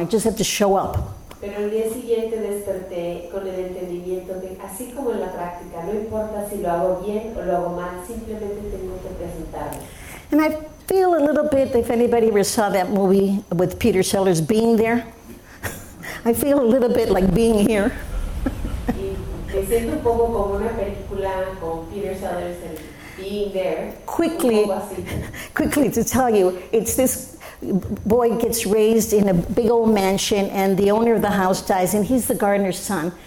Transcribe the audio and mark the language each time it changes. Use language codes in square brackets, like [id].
[en] I just have to show up. [es] Pero el día siguiente desperté con el entendimiento de así como en la práctica, no importa si lo hago bien o lo hago mal, simplemente tengo que presentarme. [en] And I feel a little bit, if anybody ever saw that movie with Peter Sellers being there. I feel a little bit like being here. [es] Me siento un poco como una película con Peter Sellers and being there. [en] Quickly to tell you, it's this boy gets raised in a big old mansion, and the owner of the house dies, and he's the gardener's son.